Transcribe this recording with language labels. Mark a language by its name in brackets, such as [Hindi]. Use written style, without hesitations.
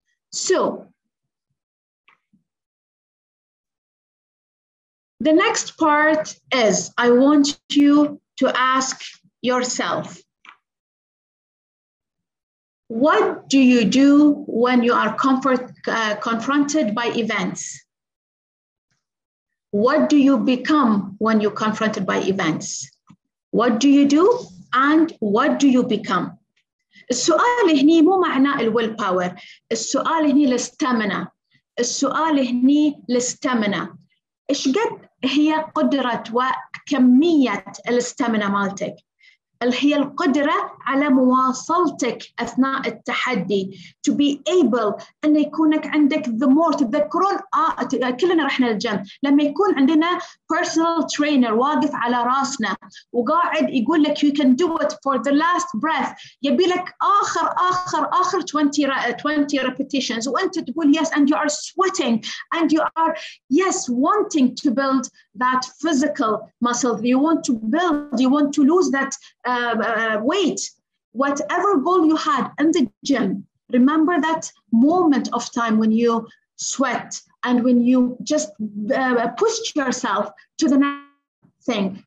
[English] So, the next part is, I want you to ask yourself, what do you do when you are confronted by events? What do you become when you're confronted by events? What do you do and what do you become? [Arabic] السؤال هنا مو معناه الويل باور. السؤال هنا الاستامنا. السؤال هنا الاستامنا. إيش قد هي قدرة وكمية الاستامنا مالتك؟ هي القدرة على مواصلتك أثناء التحدي. [English] To be able [Arabic] أن يكونك عندك [English] the more. [Arabic] تذكرون كلنا رحنا الجيم. لما يكون عندنا personal trainer واقف على راسنا وقاعد يقول لك [English] you can do it for the last breath. [Arabic] يبي لك آخر آخر آخر 20 repetitions. وأنت تقول [English] yes and you are sweating. And you are yes wanting to build that physical muscle. You want to build, you want to lose that weight, whatever goal you had in the gym, remember that moment of time when you sweat and when you just pushed yourself to the next thing.